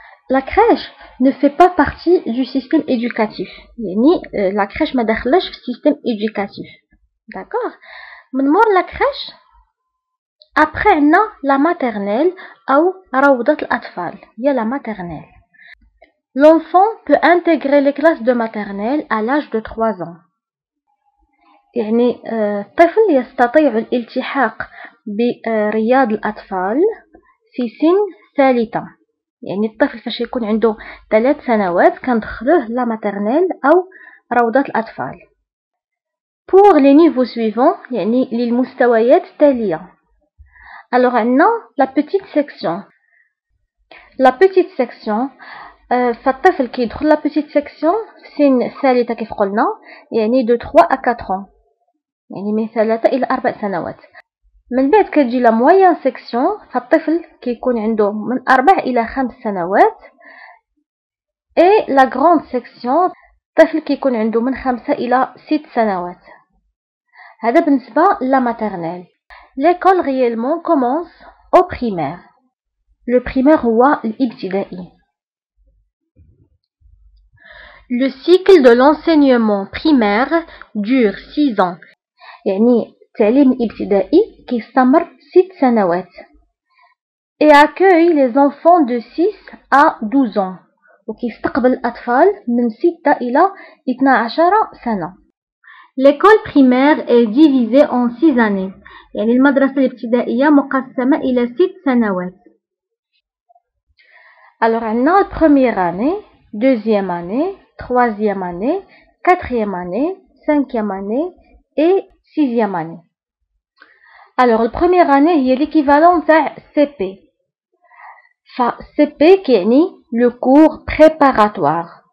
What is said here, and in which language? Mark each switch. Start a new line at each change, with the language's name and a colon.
Arabic: لا كريش
French: ne fait pas partie du système éducatif،
Arabic: يعني لا كريش ما دخلش في السيستم ايديوكاتيف. داكور، من مور لا كريش
French: après
Arabic: عندنا لا ماتيرنيل او روضه الاطفال هي لا ماتيرنيل.
French: L'enfant peut intégrer les classes de maternelle à l'âge de 3 ans.
Arabic: يعني الطفل يستطيع الالتحاق برياض الاطفال في سن ثالثة، يعني الطفل فاش يكون عنده 3 سنوات كندخلوه لا ماتيرنيل او روضة الاطفال.
French: Pour les niveaux suivants،
Arabic: يعني للمستويات التالية.
French: Alors
Arabic: عندنا
French: la petite section.
Arabic: La petite section فالطفل كيدخل لا بوتيت سيكسيون في سن ثالثه كيف قلنا، يعني دو 3 ا 4 ans، يعني من 3 الى 4 سنوات. من بعد كتجي لا مويان سيكسيون، فالطفل كيكون عنده من 4 الى 5 سنوات. اي لا غروند سيكسيون، الطفل كيكون عنده من 5 الى 6 سنوات. هذا بالنسبه لا ماتيرنيل. ليكول ريالمون كومونس او بريمير. لو بريمير هو الابتدائي.
French: Le cycle de l'enseignement primaire dure 6 ans.
Arabic: يعني التعليم الابتدائي كيستمر 6 سنوات.
French: Et accueille les enfants de 6 à 12 ans.
Arabic: وكيستقبل الاطفال من 6 الى 12 سنه.
French: L'école primaire est divisée en 6 années.
Arabic: يعني المدرسه الابتدائيه مقسمه الى 6 سنوات.
French: Alors
Arabic: عندنا
French: première année, deuxième année, troisième année, quatrième année, cinquième année et sixième année. Alors, la première année est l'équivalent de CP. CP qui est le cours préparatoire.